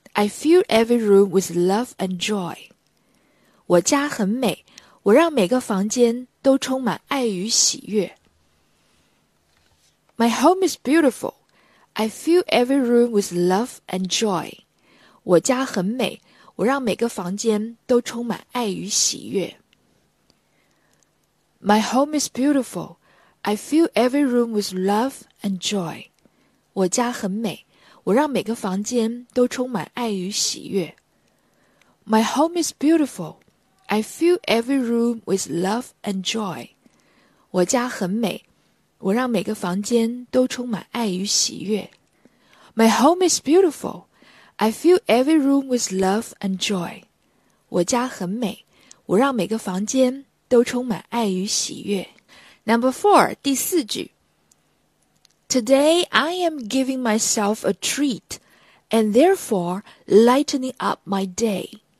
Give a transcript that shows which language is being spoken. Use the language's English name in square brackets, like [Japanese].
[English] I fill every room with love and joy. [Chinese] 我家很美，我让每个房间都充满爱与喜悦。 [English] My home is beautiful. I fill every room with love and joy. [Chinese] 我家很美，我让每个房间都充满爱与喜悦。 [English] My home is beautiful. I fill every room with love and joy. [Chinese] 我家很美。我让每个房间都充满爱与喜悦。 [English] My home is beautiful. I fill every room with love and joy. [Chinese] 我家很美，我让每个房间都充满爱与喜悦。 [English] My home is beautiful. I fill every room with love and joy. [Chinese] 我家很美，我让每个房间都充满爱与喜悦。 [English] Number four, [Chinese] 第四句。 [English] Today, I am giving myself a treat, and therefore, lightening up my day.